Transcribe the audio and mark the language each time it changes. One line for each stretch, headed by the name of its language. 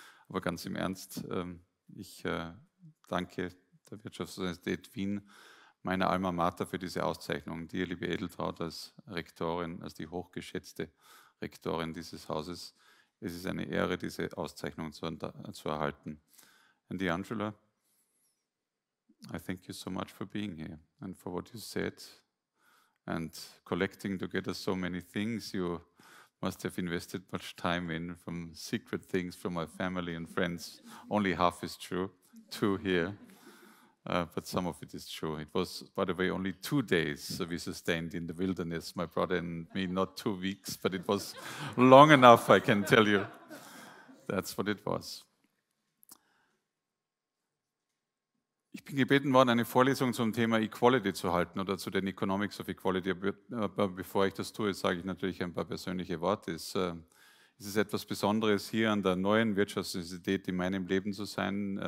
German: Aber ganz im Ernst, ich danke der Wirtschaftsuniversität Wien, meiner Alma Mater, für diese Auszeichnung. Dir, liebe Edeltraut, als Rektorin, als die hochgeschätzte Rektorin dieses Hauses. Es ist eine Ehre, diese Auszeichnung zu erhalten. An die
English: Anjhula, I thank you so much for being here and for what you said and collecting together so many things. You must have invested much time in, from secret things from my family and friends. Only half is true, two here, but some of it is true. It was, by the way, only 2 days we sustained in the wilderness, my brother and me, not 2 weeks, but it was long enough, I can tell you. That's what it was.
German: Ich bin gebeten worden, eine Vorlesung zum Thema Equality zu halten oder zu den Economics of Equality. Aber bevor ich das tue, sage ich natürlich ein paar persönliche Worte. Es ist etwas Besonderes, hier an der neuen Wirtschaftsuniversität in meinem Leben zu sein.